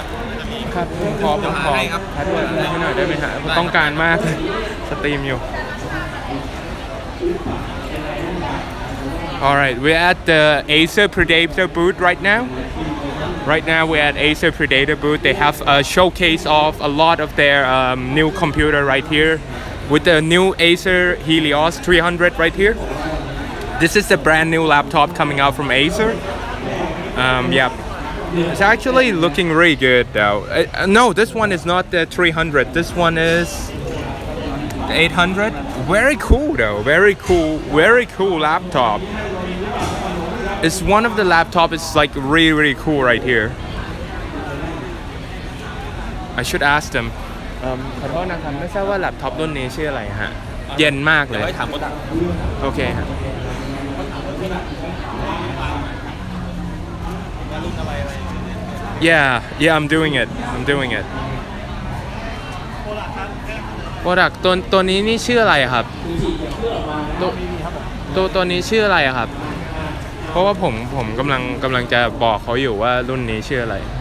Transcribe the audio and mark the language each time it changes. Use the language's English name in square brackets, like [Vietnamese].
[Thai] บ ครับขอผมขอครับแพทเวิร์ดให้หน่อยได้ไหมฮะต้องการมากสตรีมอยู่ [English] Alright we're at the Acer Predator booth right nowRight now we're at Acer Predator booth. They have a showcase of a lot of their new computer right here with the new Acer Helios 300 right here. This is the brand new laptop coming out from Acer. It's actually looking really good though. No, this one is not the 300. This one is 800. Very cool though. Very cool laptop. It's one of the laptops is like really really cool right here. I should ask them. [Thai] ขอโทษนะครับไม่ทราบว่าแล็ปท็อปรุ่นนี้ชื่ออะไรฮะ เย็นมากเลย ไว้ถามก็ได้โอเคฮะ [English] Yeah I'm doing it product [Thai] ตัวนี้นี่ชื่ออะไรครับตัวนี้ชื่ออะไรครับเพราะว่าผมกำลังจะบอกเขาอยู่ว่ารุ่นนี้ชื่ออะไร